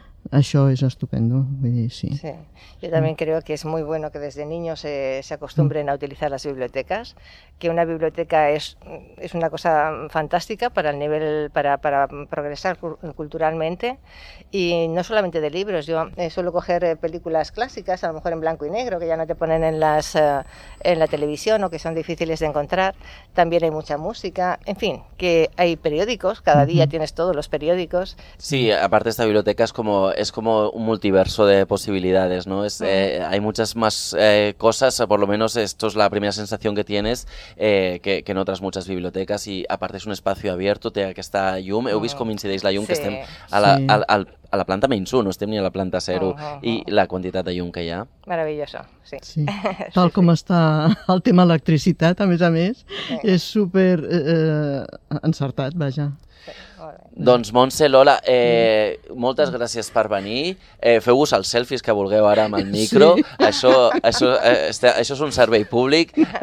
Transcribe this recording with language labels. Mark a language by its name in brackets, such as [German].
[Catalan] Això és estupendo, vull dir, sí. [Spanish] Sí, yo también creo que es muy bueno que desde niños se acostumbren a utilizar las bibliotecas, que una biblioteca es una cosa fantástica para el nivel, para progresar culturalmente, y no solamente de libros. Yo suelo coger películas clásicas, a lo mejor en blanco y negro, que ya no te ponen en la televisión o que son difíciles de encontrar. También hay mucha música, en fin, que hay periódicos, cada día tienes todos los periódicos. Sí, aparte esta biblioteca es como es como un multiverso de posibilidades, ¿no? Es, hay muchas más cosas, por lo menos esto es la primera sensación que tienes, que en otras muchas bibliotecas, y aparte es un espacio abierto, tiene que estar Llum, [Catalan] heu vist com incideix la Llum, sí, que estem a la, sí, a la planta menys 1, no estem ni a la planta 0, i la quantitat de Llum que hi ha. [Spanish] Meravilloso, sí. Sí. [Catalan] Tal sí, com sí, està el tema electricitat, a més, sí, és super encertat, vaja. Doncs Montse, Lola, moltes gràcies per venir. Feu-vos els selfies que vulgueu ara amb el micro. Sí. Això és un servei públic.